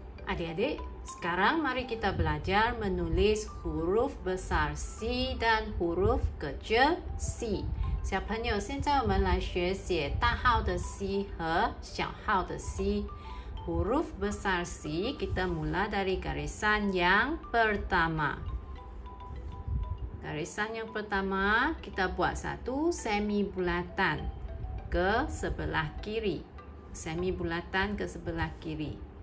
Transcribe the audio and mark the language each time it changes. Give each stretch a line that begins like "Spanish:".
Malay: Adik-adik, sekarang mari kita belajar menulis huruf besar C dan huruf kecil C.
Chinese: 小朋友，现在我们来学写大号的 C 和小号的 C。
Malay: Huruf besar C, kita mula dari garisan yang pertama. Garisan yang pertama, kita buat satu semibulatan ke sebelah kiri. Semibulatan ke sebelah kiri.